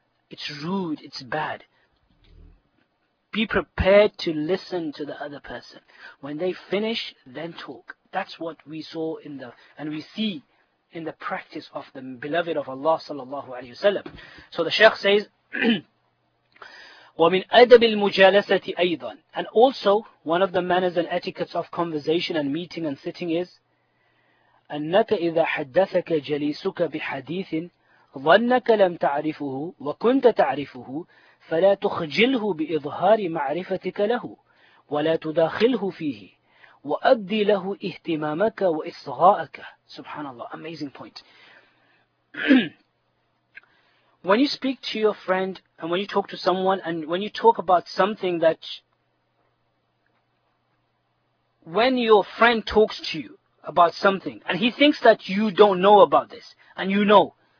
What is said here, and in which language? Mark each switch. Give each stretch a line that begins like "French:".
English: It's rude, it's bad. Be prepared to listen to the other person. When they finish, then talk. That's what we saw in the, and we see in the practice of the beloved of Allah sallallahu alayhi wa sallam. So the Shaykh says,
Arabic: وَمِنْ أَدَبِ الْمُجَالَسَةِ أَيْضًا.
English: And also, one of the manners and etiquettes of conversation and meeting and sitting is,
Arabic: أَنَّكَ إِذَا حَدَّثَكَ جَلِيسُكَ بِحَدِيثٍ ظَنَّكَ لَمْ تَعْرِفُهُ وَكُنْتَ تَعْرِفُهُ فَلَا تُخْجِلْهُ بِإِظْهَارِ مَعْرِفَتِكَ لَهُ وَلَا تُدَاخِلْهُ فِيهِ وَأَدِّي لَهُ إِهْتِمَامَكَ وَإِصْغَاءَكَ.
English: Subhanallah, amazing point. When you speak to your friend and when you talk to someone and when you talk about something that when your friend talks to you about something and he thinks that you don't know about this and you know.